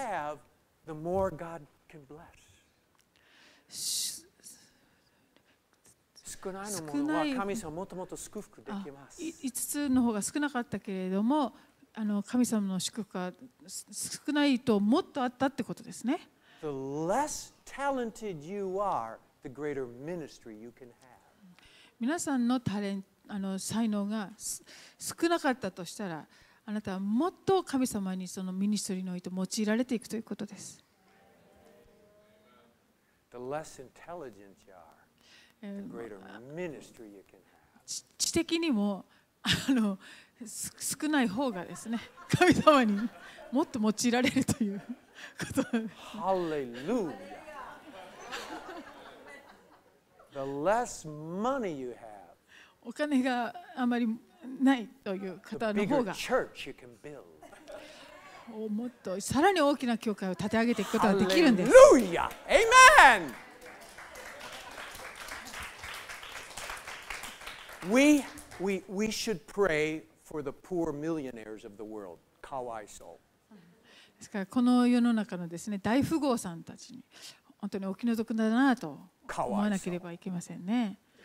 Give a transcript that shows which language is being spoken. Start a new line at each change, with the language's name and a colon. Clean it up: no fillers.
English: The less you have, the more God can bless.
Japanese: 少ないのものは神様もっともっと祝福できます。 5つの方が少なかったけれども、あの神様の祝福が少ないともっとあったってことですね。
English: The less talented you are, the greater ministry you can have.
Japanese: 皆さんのタレント、あの才能が少なかったとしたら、あなたはもっと神様にそのミニストリーの意図を用いられていくということです。
English: The less intelligent you are, the greater ministry you can have.
Japanese: 知的にも少ない方がですね、神様にもっと用いられるということです。
English: Hallelujah. The less money you have,
Japanese: お金があまりないという方の方が、
English: the bigger church you can build.
Japanese: もっとさらに大きな教会を立て上げていくことができるんです。
English: Hallelujah. Amen. We should pray for the poor millionaires of the world.
Japanese: かわいそう。ですからこの世の中のですね、大富豪さんたちに本当にお気の毒だなと思わなければいけませんね。